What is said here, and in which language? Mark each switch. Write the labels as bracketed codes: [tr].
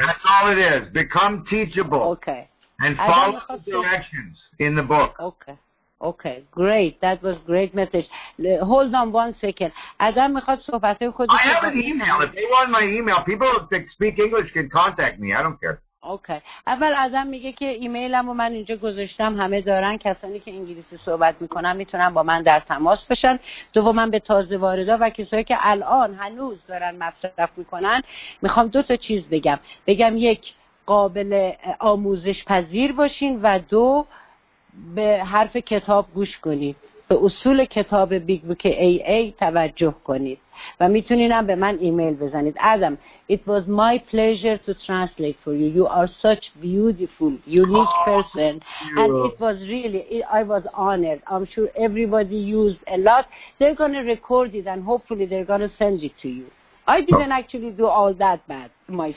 [en] That's all it is. Become teachable. Okay. And follow the directions in the book. Okay. Okay, great. That was a great message. Hold on one second. Adam, I have an email. If they want my email, people that speak English can contact me. I don't care. Okay. [fa] اول آدم میگه که ایمیلم رو من اینجا گذاشتم، همه دارن، کسانی که انگلیسی صحبت میکنن میتونن با من در تماس بشن. دوم من به تازه واردا و کسایی که الان هنوز دارن مصرف میکنن میخوام دو تا چیز بگم. بگم یک، قابل آموزش پذیر باشین، و دو، به حرف کتاب گوش کنید، به اصول کتاب بیگ بوک ای ای توجه کنید، و میتونینم به من ایمیل بزنید. [en] Adam, it was my pleasure to translate for you. You are such beautiful, unique person. And it was really, I was honored. I'm sure everybody used a lot. They're going to record it and hopefully they're going to send it to you. I didn't actually do all that bad myself.